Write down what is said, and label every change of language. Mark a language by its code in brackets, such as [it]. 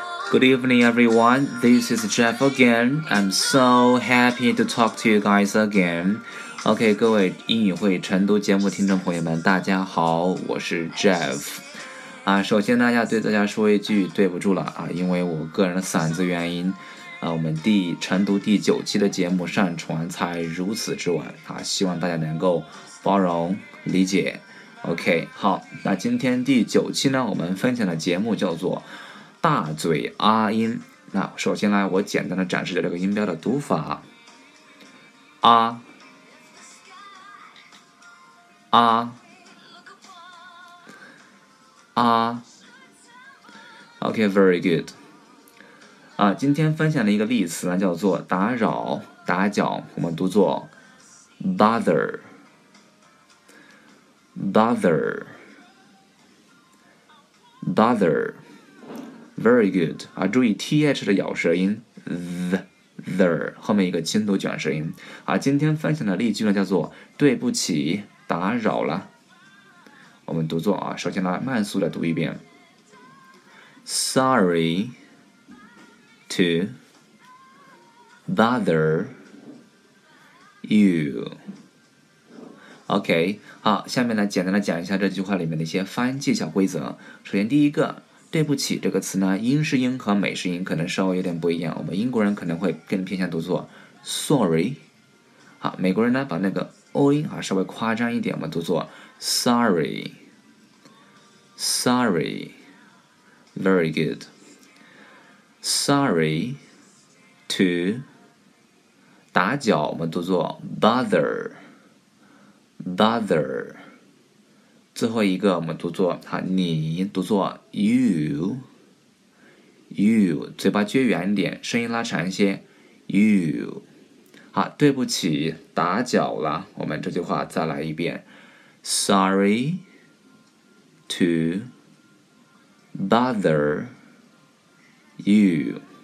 [en] Good evening, everyone. This is Jeff again. I'm so happy to talk to you guys again. [zh] OK, 各位英语会晨读节目听众朋友们，大家好，我是 Jeff。首先呢，要对大家说一句对不住了，因为我个人的嗓子原因，我们晨读第九期的节目上传才如此之晚，希望大家能够包容理解。 OK, 好，那今天第九期呢，我们分享的节目叫做大嘴阿音。那首先呢，我简单的展示着这个音标的读法。 [en] 啊啊啊 OK, very good. [zh] 今天分享的一个例词呢叫做打扰打搅，我们读作 [en] bother bother bother. Very good. [zh] 注意 TH 的咬舌音 ,th,ther, 后面一个轻读卷舌音。今天分享的例句呢叫做对不起打扰了。我们读作首先来慢速的读一遍。 [en] Sorry to bother you. [zh] OK, 好，下面呢简单的讲一下这句话里面的一些发音技巧规则。首先第一个，对不起这个词呢，英式音和美式音可能稍微有点不一样，我们英国人可能会更偏向读作 sorry。好，美国人呢把那个 o 音稍微夸张一点，我们读作 [en] sorry sorry. Very good. Sorry to [zh] 打搅，我们读作 [en] bother bother. [zh] 最后一个我们读作你，读作 you 嘴巴撅圆点，声音拉长一些 you。好，对不起打搅了，我们这句话再来一遍。 [en] Sorry to bother you.